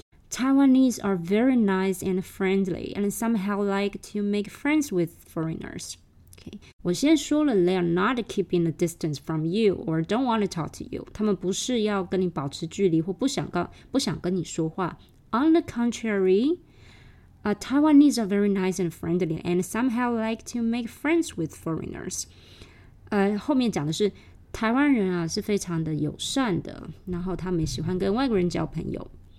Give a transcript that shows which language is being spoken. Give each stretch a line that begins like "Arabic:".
English: Taiwanese are very nice and friendly and somehow like to make friends with foreigners. Okay.
Chinese: 我先说了
English: they are not keeping a distance from you or don't want to talk to you.
Chinese: 他们不是要跟你保持距离或不想跟你说话。
English: On the contrary, Taiwanese are very nice and friendly and somehow like to make friends with foreigners.
Chinese: 后面讲的是台湾人啊是非常的友善的，然后他们喜欢跟外国人交朋友。